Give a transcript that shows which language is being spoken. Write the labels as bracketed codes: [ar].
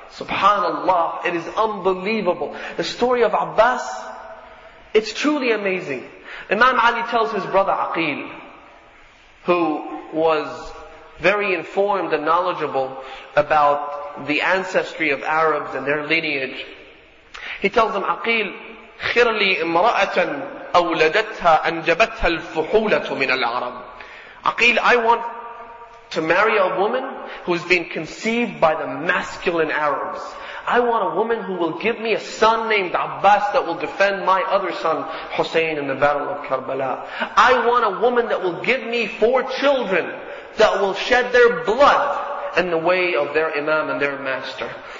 [en] Subhanallah, it is unbelievable. The story of Abbas, it's truly amazing. Imam Ali tells his brother Aqil, who was very informed and knowledgeable about the ancestry of Arabs and their lineage. He tells them, Aqil, [ar] خِرْلِي إِمْرَأَةً أَوْلَدَتْهَا أَنْجَبَتْهَا الْفُحُولَةُ مِنَ الْعَرَبِ. [en] Aqil, I want to marry a woman who's been conceived by the masculine Arabs. I want a woman who will give me a son named Abbas that will defend my other son, Hussein, in the battle of Karbala. I want a woman that will give me four children that will shed their blood in the way of their imam and their master.